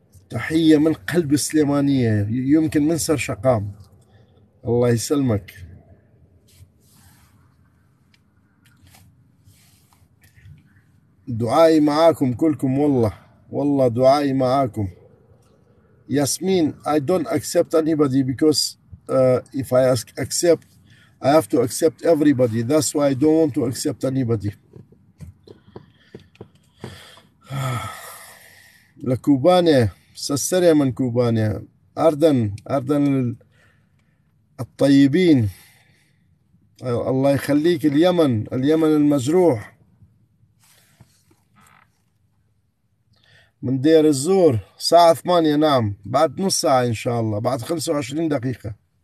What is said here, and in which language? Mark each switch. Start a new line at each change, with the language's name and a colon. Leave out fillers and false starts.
Arabic: تحية من قلب السليمانية، يمكن من سر شقام، الله يسلمك. دعائي معاكم كلكم، والله والله دعائي معاكم.
English: ياسمين I don't accept anybody because if I accept I have to accept everybody, that's why I don't want to accept anybody.
Arabic: لكوبانيا سسرية من كوبانيا، أردن أردن الطيبين، الله يخليك. اليمن، اليمن المجروح من دير الزور، ساعة 8 نعم، بعد نص ساعة إن شاء الله، بعد 25 دقيقة.